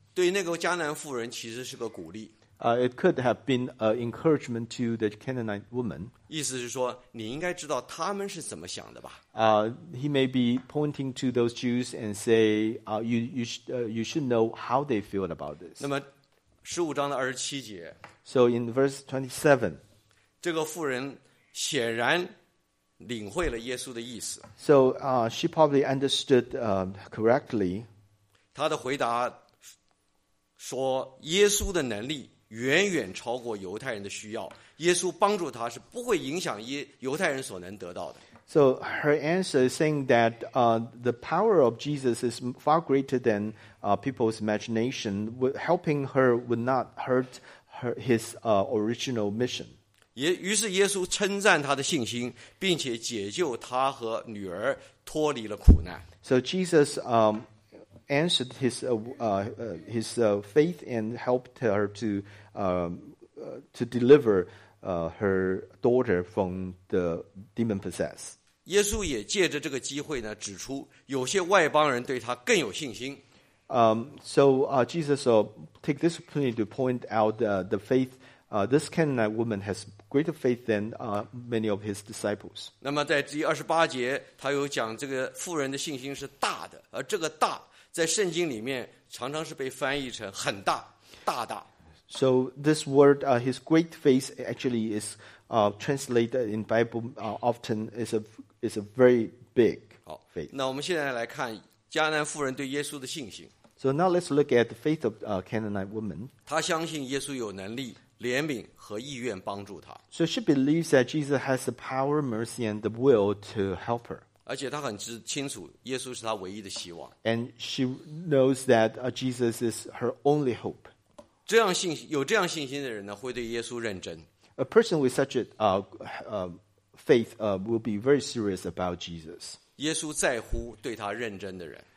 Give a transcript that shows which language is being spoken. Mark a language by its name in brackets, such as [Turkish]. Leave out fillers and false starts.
[Chinese] 对那个迦南妇人其实是个鼓励 [English] It could have been an encouragement to the Canaanite woman. [Chinese] 意思是说，你应该知道他们是怎么想的吧。 [English] He may be pointing to those Jews and say, you should know how they feel about this. [Chinese] 那么十五章的二十七节。 [English] So in verse 27, [Chinese] 这个妇人显然领会了耶稣的意思。 [English] So she probably understood correctly. [Chinese] 他的回答说，耶稣的能力远远超过犹太人的需要，耶稣帮助他是不会影响犹太人所能得到的。 [English] So her answer is saying that the power of Jesus is far greater than people's imagination. Helping her would not hurt his original mission. [Chinese] 于是耶稣称赞他的信心，并且解救他和女儿脱离了苦难。 [English] So Jesus answered his faith and helped her to deliver her daughter from the demon possessed. [Chinese] 耶稣也借着这个机会呢，指出有些外邦人对他更有信心。 [English] Jesus will take this opportunity to point out the faith. This Canaanite woman has greater faith than many of his disciples. [Chinese] 那么在第二十八节，他有讲这个妇人的信心是大的，而这个大在圣经里面常常是被翻译成很大、大大。 [English] So this word, his great faith, actually is. Translated in Bible often is a very big faith. [Chinese] 好，那我们现在来看迦南妇人对耶稣的信心。 [English] So now let's look at the faith of Canaanite woman. [Chinese] 她相信耶稣有能力、怜悯和意愿帮助她。 [English] So she believes that Jesus has the power, mercy, and the will to help her. [Chinese] 而且她很清楚耶稣是她唯一的希望。 [English] And she knows that Jesus is her only hope. [Chinese] 这样信心，有这样信心的人呢，会对耶稣认真。 [English] A person with such a faith will be very serious about Jesus. [Chinese] 耶稣在乎对他认真的人。